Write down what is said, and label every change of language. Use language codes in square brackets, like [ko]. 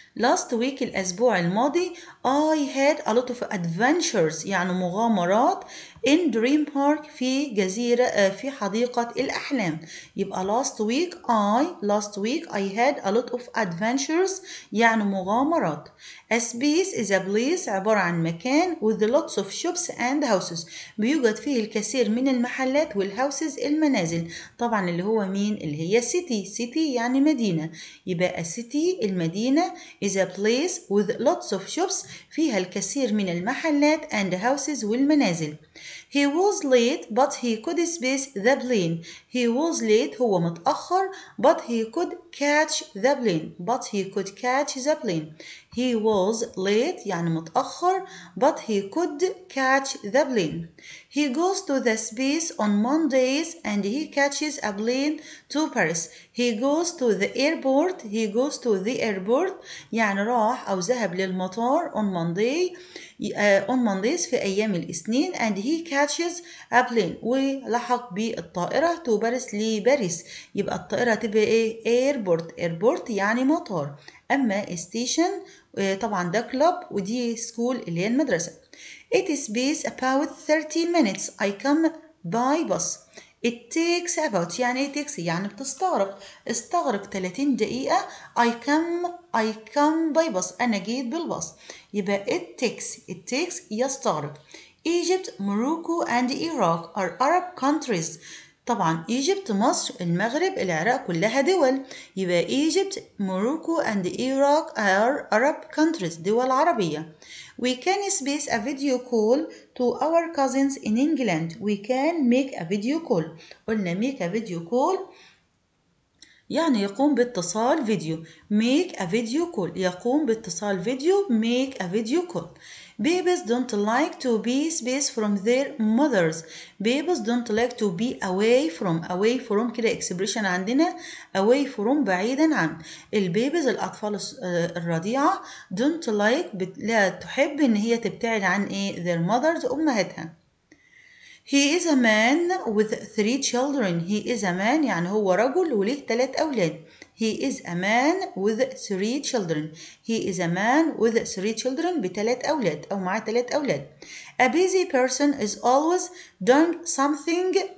[en] Last week [ar] الأسبوع الماضي [en] I had a lot of adventures [ar] يعني مغامرات [en] in Dream Park [ar] في جزيرة في حديقة الأحلام. [en] يبقى last week I had a lot of adventures [ar] يعني مغامرات. [en] A space is a place عبارة عن مكان with lots of shops and houses بيوجد فيه الكثير من المحلات والhouses المنازل طبعا اللي هو مين اللي هي city. [ar] City يعني مدينة. [en] يبقى city المدينة is a place with lots of shops [ar] فيها الكثير من المحلات [en] and houses والمنازل. He was late but he could space the plane. He was late [ar] هو متأخر [en] but he could catch the plane. But he could catch the plane. He was late [ar] يعني متأخر [en] but he could catch the plane. He goes to the space on Mondays and he catches a plane to Paris. He goes to the airport. He goes to the airport [ar] يعني راح أو ذهب للمطار [en] on Monday on Mondays [ar] في أيام الاثنين [en] and he catches a plane [ar] ولحق بالطائرة [en] to Paris لباريس. [ar] يبقى الطائرة تبقى إيه airport. Airport يعني مطار. أما station طبعا ده club ودي school اللي هي المدرسة. [en] It is based about 30 minutes. I come by bus. It takes about يعني it takes [ar] يعني بتستغرق. استغرق 30 دقيقة. [en] I come by bus. [ar] أنا جيت بالباص. [en] يبقى it takes يستغرق. Egypt, Morocco and Iraq are Arab countries. [ar] طبعا Egypt, مصر, المغرب, العراق كلها دول. [en] يبقى Egypt, Morocco and Iraq are Arab countries. [ar] دول عربية. [en] We can space a video call to our cousins in England. We can make a video call. [ar] قلنا [en] make a video call [ar] يعني يقوم باتصال فيديو. [en] Make a video call. [ar] يقوم باتصال فيديو. [en] Make a video call. Babies don't like to be space from their mothers. Babies don't like to be away from. Away from كده expression عندنا. Away from [ar] بعيدا عن. البيبيز الأطفال الرضيعة [en] don't like [ar] لا تحب إن هي تبتعد عن إيه [en] their mothers [ar] أمهاتها. [en] He is a man with three children. He is a man [ar] يعني هو رجل وليه ثلاث أولاد. [en] He is a man with three children. He is a man with three children [ar] بثلاث أولاد أو مع ثلاث أولاد. [en] A busy person is always doing something.